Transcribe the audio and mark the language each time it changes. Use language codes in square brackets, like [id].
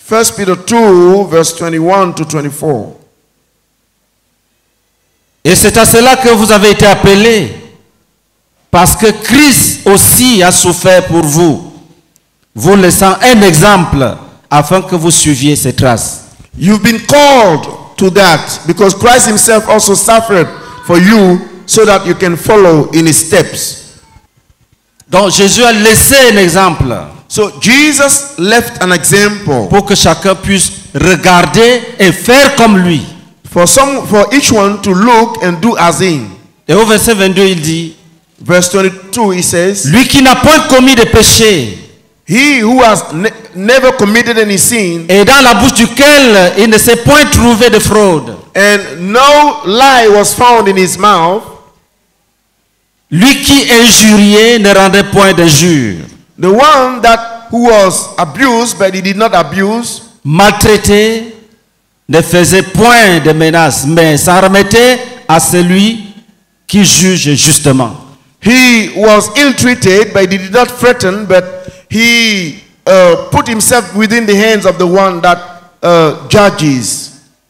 [en] First Peter 2, verse 21 to 24. [fr] Et c'est à cela que vous avez été appelés, parce que Christ aussi a souffert pour vous, vous laissant un exemple afin que vous suiviez ses traces. [en] You've been called to that because Christ himself also suffered for you so that you can follow in his steps. [fr] Donc Jésus a laissé un exemple. [en] So Jesus left an example [fr] pour que chacun puisse regarder et faire comme lui. [en] For each one to look and do as him. [fr] Et au verset 22, il dit, [en] verse 22, he says, [fr] lui qui n'a point commis de péché, [en] he who has never committed any sin, [fr] et dans la bouche duquel il ne s'est point trouvé de fraude, [en] and no lie was found in his mouth, [fr] lui qui injuriait ne rendait point d'injure, [en] the one that who was abused but he did not abuse, [fr] maltraité ne faisait point de menace, mais s'en remettait à celui qui juge justement. [en] He was ill-treated but he did not threaten, but he put himself within the hands of the one that judges.